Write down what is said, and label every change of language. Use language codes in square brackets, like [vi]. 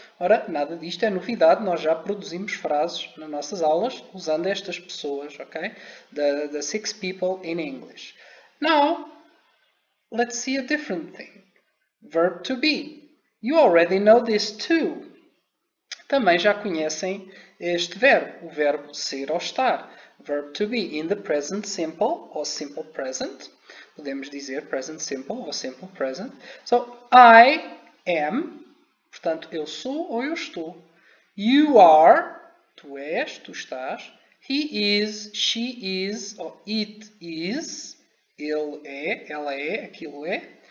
[pt] Ora, nada disto é novidade, nós já produzimos frases nas nossas aulas usando estas pessoas, ok? [en] The six people in English. Now, let's see a different thing. Verb to be. You already know this too. [pt] Também já conhecem este verbo, o verbo ser ou estar. [en] verb to be in the present simple or simple present. [pt] Podemos dizer present simple ou simple present. [en] So, I am, [pt] portanto, eu sou ou eu estou. [en] You are, [pt] tu és, tu estás. [en] He is, she is, or it is, [pt] ele é, ela é, aquilo é.